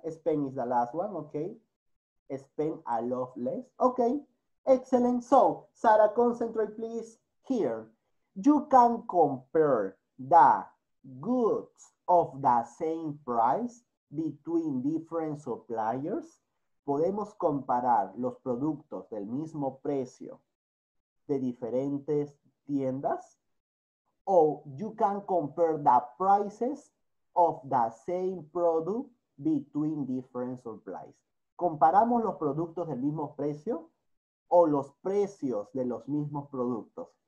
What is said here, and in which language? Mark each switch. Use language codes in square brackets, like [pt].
[en] Spend is the last one. Okay. Spend a lot less. Okay. Excellent. So, Sara, concentrate, please. Here. You can compare the goods of the same price between different suppliers. [es] Podemos comparar los productos del mismo precio de diferentes tiendas. [en] O you can compare the prices of the same product between different suppliers. [es] ¿Comparamos los productos del mismo precio o los precios de los mismos productos?